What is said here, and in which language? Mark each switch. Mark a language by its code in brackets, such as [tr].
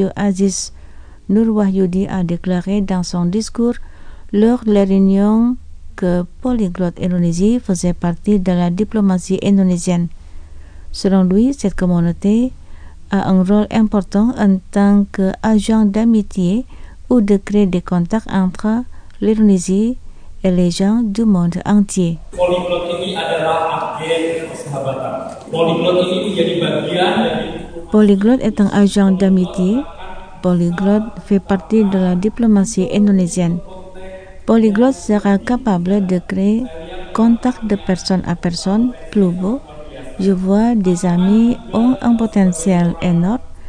[fr] Aziz Nurwahyudi, a déclaré dans son discours lors de la réunion que Polyglotte Indonésie faisait partie de la diplomatie indonésienne. Selon lui, cette communauté a un rôle important en tant qu'agent d'amitié ou de créer des contacts entre l'Indonésie et les gens du monde entier. [id] Polyglotte ini adalah agen persahabatan. Polyglotte ini menjadi bagian dari. [fr] Polyglotte est un agent d'amitié. Polyglotte fait partie de la diplomatie indonésienne. Polyglotte sera capable de créer contact de personne à personne plus beau. Je vois des amis ont un potentiel énorme.